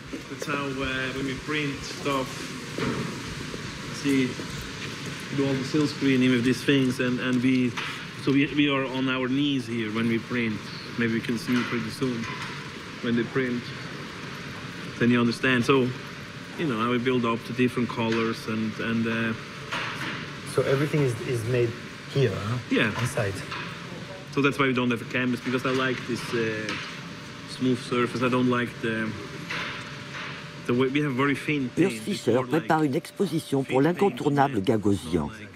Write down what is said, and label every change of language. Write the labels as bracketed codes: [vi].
[fr] C'est comme quand on print des choses, on fait tout le screening de ces choses, et on est sur nos genoux ici quand on print. Peut-être qu'on peut le voir très vite. Quand ils printent, alors vous comprenez. Donc, vous savez, on construit des couleurs différentes. Donc, tout est fait. Here, [en] yeah. Inside. So that's why we don't have a canvas, because I like this smooth surface. I don't like the way we have very thin paint. [fr] Urs Fischer prépare une exposition pour l'incontournable Gagosian.